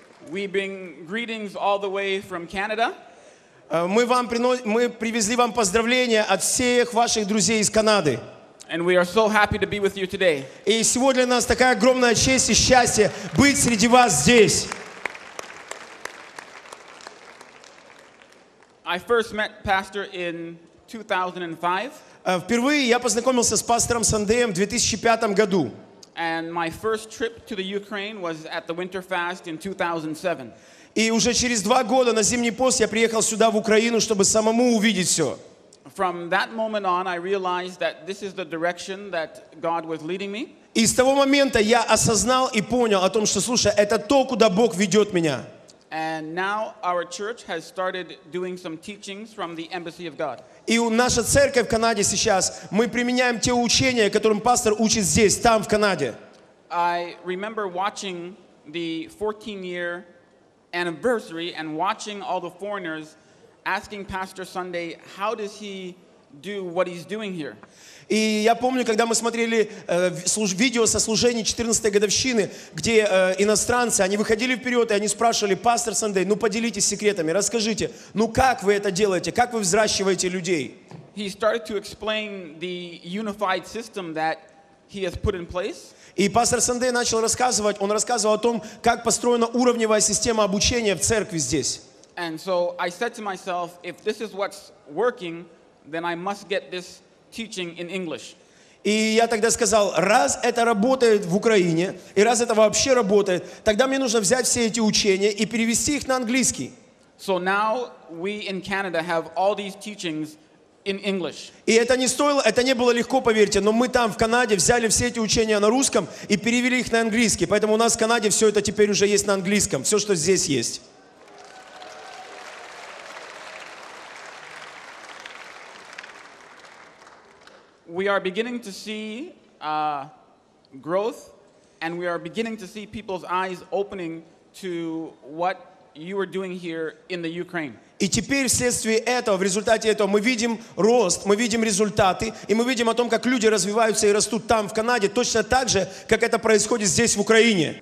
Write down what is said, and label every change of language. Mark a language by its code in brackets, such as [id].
[en] We bring greetings all the way from Canada. [ru] Мы привезли вам поздравления от всех ваших друзей из Канады. [en] And we are so happy to be with you today. [ru] И сегодня для нас такая огромная честь и счастье быть среди вас здесь. [en] I first met Pastor in 2005. [ru] Впервые я познакомился с пастором Сандеем в 2005 году. [en] And my first trip to the Ukraine was at the Winterfest in 2007. [ru] И уже через два года на зимний пост я приехал сюда в Украину, чтобы самому увидеть все. [en] From that moment on, I realized that this is the direction that God was leading me. [ru] И с того момента я осознал и понял о том, что, слушай, это то, куда Бог ведет меня. [en] And now our church has started doing some teachings from the Embassy of God. [ru] И наша церковь в Канаде сейчас, мы применяем те учения, которым пастор учит здесь, там, в Канаде. [en] I remember watching the 14-year anniversary and watching all the foreigners asking Pastor Sunday, how does he do what he's doing here? [ru] И я помню, когда мы смотрели видео со служения 14-й годовщины, где иностранцы, они выходили вперед, и они спрашивали, пастор Сандей, ну поделитесь секретами, расскажите, ну как вы это делаете, как вы взращиваете людей? [en] He started to explain the unified system that he has put in place. [ru] И пастор Сандей начал рассказывать, он рассказывал о том, как построена уровневая система обучения в церкви здесь. [en] And so I said to myself, if this is what's working, then I must get this teaching in English. [ru] И я тогда сказал, раз это работает в Украине, и раз это вообще работает, тогда мне нужно взять все эти учения и перевести их на английский. [en] So now we in Canada have all these teachings in English. [ru] И это не стоило, это не было легко, поверьте, но мы там в Канаде взяли все эти учения на русском и перевели их на английский. Поэтому у нас в Канаде все это теперь уже есть на английском, все, что здесь есть. [en] We are beginning to see growth, and we are beginning to see people's eyes opening to what you are doing here in the Ukraine. [ru] И теперь вследствие этого, в результате этого, мы видим рост, мы видим результаты, и мы видим о том, как люди развиваются и растут там в Канаде точно так же, как это происходит здесь в Украине.